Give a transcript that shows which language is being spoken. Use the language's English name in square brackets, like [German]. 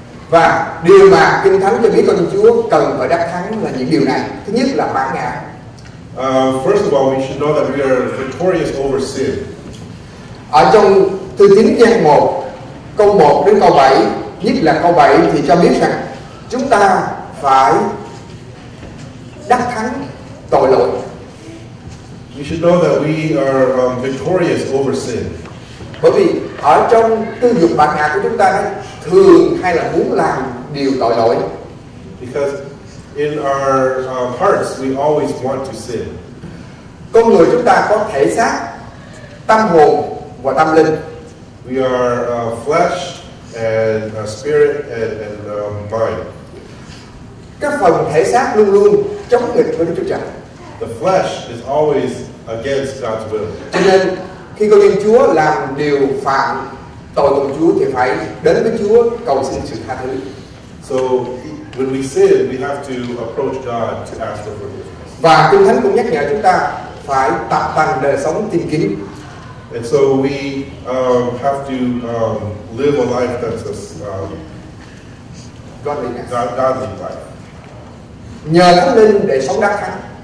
[Vietnamese] Và điều mà Kinh Thánh cho biết con Chúa cần phải đắc thắng là những điều này. Thứ nhất là bản ngã. [English] First of all, we should know that we are victorious over sin. [Vietnamese] Ở trong Thư Tín Giang 1, câu 1 đến câu 7, nhất là câu 7 thì cho biết rằng chúng ta phải đắc thắng tội lỗi. [English] You should know that we are victorious over sin. [Vietnamese] Bởi vì ở trong tư dục bản ngã của chúng ta thường hay là muốn làm điều tội lỗi. [English] Because in our hearts we always want to sin. [Vietnamese] Con người chúng ta có thể xác, tâm hồn và tâm linh. [English] We are flesh and spirit and mind. [Vietnamese] Cái phần thể xác luôn luôn chống nghịch với Đức Chúa Trời. [English] The flesh is always against God's will. [Vietnamese] Cho nên khi con dân Chúa làm điều phạm tội của Chúa thì phải đến với Chúa cầu xin sự tha thứ. [English] So when we sin, we have to approach God to ask for forgiveness. [Vietnamese] Và Kinh Thánh cũng nhắc nhở chúng ta phải tập tành đời sống tìm kiếm. [English] And so we have to live a life that's a godly life. [Vietnamese] Nhờ Thánh Linh để sống đắc thắng.